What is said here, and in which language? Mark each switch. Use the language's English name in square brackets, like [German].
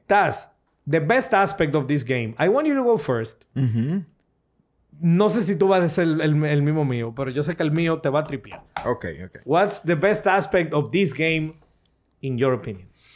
[English] Taz, the best aspect of this game, I want you to go first. [Spanish] No sé si tú vas a ser el mismo mío, pero yo sé que el mío te va a tripear. [English] Okay. What's the best aspect of this game, in your opinion?